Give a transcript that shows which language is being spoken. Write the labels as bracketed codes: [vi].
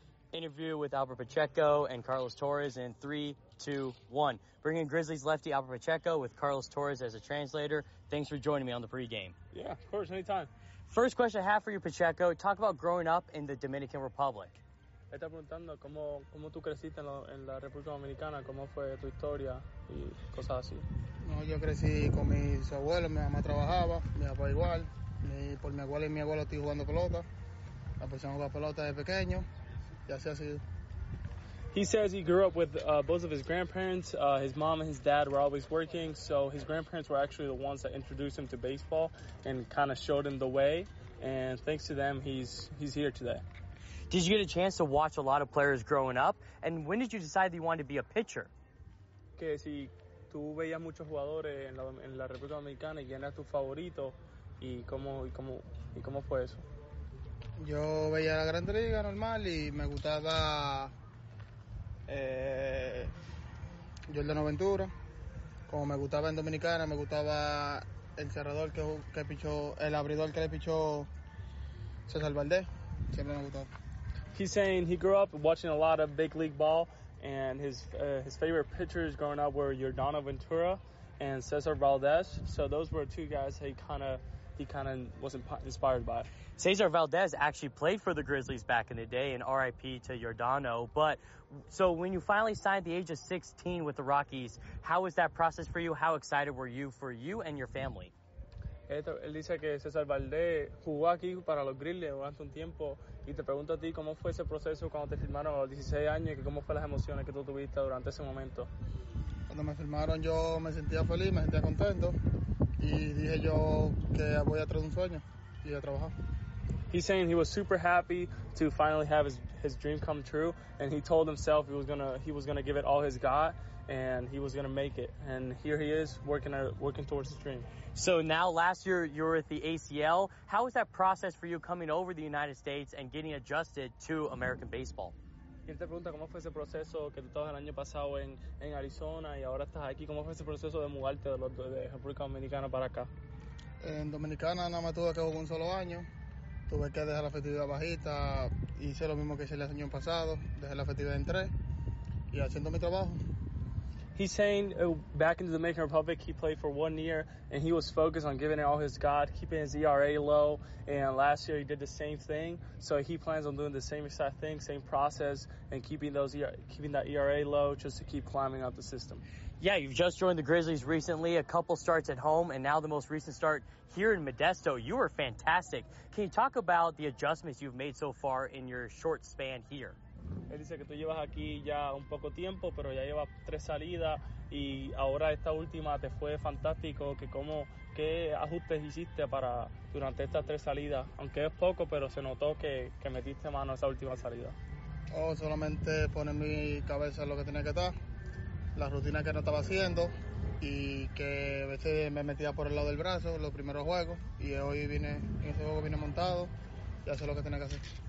[en] Interview with Albert Pacheco and Carlos Torres in 3, 2, 1. Bringing Grizzlies lefty Albert Pacheco with Carlos Torres as a translator. Thanks for joining me on the pregame. Yeah, of course, anytime. First question I have for you, Pacheco. Talk about growing up in the Dominican Republic. [es] Está preguntando cómo tú creciste en la República Dominicana, cómo fue tu historia y cosas así. No, yo crecí con mis abuelos, mi mamá trabajaba, mi papá igual, por mi abuela y mi abuelo estoy jugando pelota. La persona jugaba pelota de pequeño. [en] He says he grew up with both of his grandparents. His mom and his dad were always working, so his grandparents were actually the ones that introduced him to baseball and kind of showed him the way, and thanks to them, he's here today. Did you get a chance to watch a lot of players growing up, and when did you decide that you wanted to be a pitcher? [es] Que si tú veías muchos jugadores en la República Dominicana y era tu favorito, y cómo fue eso? Yo veía la Grande Liga normal y me gustaba Jordan Aventura. Como me gustaba en Dominicana, me gustaba el cerrador que pichó, el abridor que le pichó César Valdés. Siempre me gustó. [en] He's saying he grew up watching a lot of big league ball, and his favorite pitchers growing up were Jordan Aventura and César Valdés. So those were two guys he kind of he kind of wasn't inspired by. Cesar Valdez actually played for the Grizzlies back in the day, and RIP to Yordano. But so when you finally signed at the age of 16 with the Rockies, how was that process for you? How excited were you for you and your family? [es] Él dice que César Valdés jugó aquí para los Grizzlies durante un tiempo y te pregunto a ti cómo fue ese proceso cuando te firmaron a los 16 años y cómo fueron las emociones que tú tuviste durante ese momento. Cuando me firmaron yo me sentía feliz, me sentía contento y dije yo que voy atrás de un sueño y a trabajar. [en] He's saying he was super happy to finally have his dream come true, and he told himself he was gonna give it all he's got, and he was gonna make it. And here he is working towards his dream. So now, last year you were at the ACL. How was that process for you coming over the United States and getting adjusted to American baseball? [es] Y te pregunta cómo fue ese proceso que tú estabas el año pasado en Arizona y ahora estás aquí. ¿Cómo fue ese proceso de mudarte de República Dominicana para acá? En Dominicana nada más tuve que jugar un solo año. Tuve que dejar la efectividad bajita, hice lo mismo que hice el año pasado, dejé la efectividad en 3 y haciendo mi trabajo. [en] He's saying back in the Dominican Republic, he played for 1 year and he was focused on giving it all he's got, keeping his ERA low. And last year he did the same thing. So he plans on doing the same exact thing, same process, and keeping that ERA low just to keep climbing up the system. Yeah, you've just joined the Grizzlies recently, a couple starts at home, and now the most recent start here in Modesto. You were fantastic. Can you talk about the adjustments you've made so far in your short span here? [es] Él dice que tú llevas aquí ya un poco tiempo, pero ya llevas 3 salidas y ahora esta última te fue fantástico. Que cómo, ¿qué ajustes hiciste para durante estas 3 salidas? Aunque es poco, pero se notó que metiste mano esa última salida. Oh, solamente poner mi cabeza en lo que tenía que estar, la rutina que no estaba haciendo y que a veces me metía por el lado del brazo los primeros juegos y hoy vine, en ese juego vine montado y hacer lo que tenía que hacer.